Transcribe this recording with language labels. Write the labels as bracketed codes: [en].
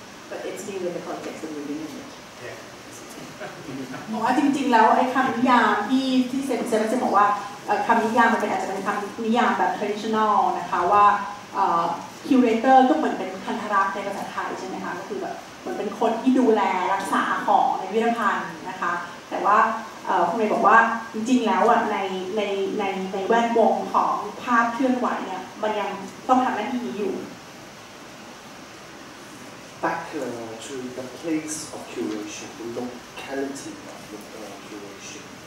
[en] But it's new in the context of moving image [th] บอกว่าจริงๆแล้วไอ้คำนิยามที่เซนบอกว่าคำนิยามมันเป็นอาจจะเป็นคำนิยามแบบ traditional นะคะว่าคิวเรเตอร์ก็เหมือนเป็นคันธรักในภาษาไทยใช่ไหมคะก็คือแบบเหมือนเป็นคนที่ดูแลรักษาของในพิพิธภัณฑ์นะคะแต่ว่า คุณเมย์บอกว่าจริงๆแล้วอ่ะในแวดวงของภาพเคลื่อนไหวเนี่ยมันยังต้องทำหน้าที่นี้อยู่ [en] Back to the place of curation, the locality of the curation.